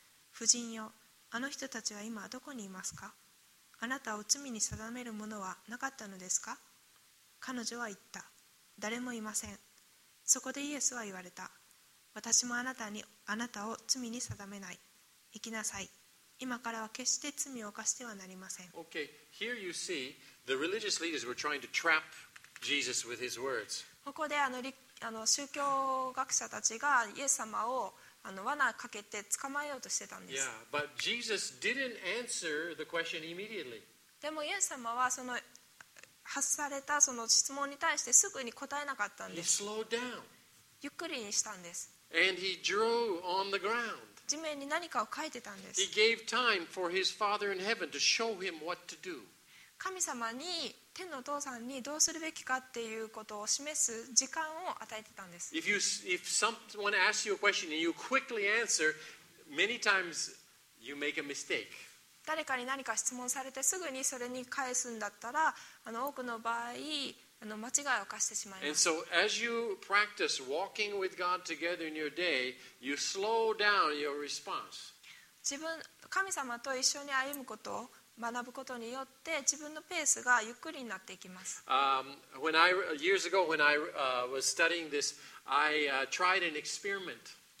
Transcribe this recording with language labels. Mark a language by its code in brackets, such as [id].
[ja] 婦人よ、あの人たちは今どこにいますか？あなたを罪に定めるものはなかったのですか？彼女は言った。誰もいません。そこでイエスは言われた。私もあなたを罪に定めない。行きなさい。今からは決して罪を犯してはなりません。 [en] OK, here you see the religious leaders were trying to trap Jesus with his words. [ja] ここで宗教学者たちがイエス様を罠かけて捕まえようとしてたんです。 [en] Yeah, but Jesus didn't answer the question immediately. [ja] でもイエス様はその発されたその質問に対してすぐに答えなかったんです。 [en] He slowed down. [ja] ゆっくりにしたんです。 [en] And he drew on the ground. [ja] 地面に何かを書いてたんです。 [en] He gave time for his Father in heaven to show him what to do. [ja] 神様に、天のお父さんにどうするべきかっていうことを示す時間を与えてたんです。 [en] If someone asks you a question and you quickly answer, many times you make a mistake. [ja] 誰かに何か質問されてすぐにそれに返すんだったら、多くの場合、間違いを犯してしまいます。 [en] And so as you practice walking with God together in your day, you slow down your response. [ja] 神様と一緒に歩むことを学ぶことによって自分のペースがゆっくりになっていきます。 [en] Years ago, when I was studying this, I tried an experiment.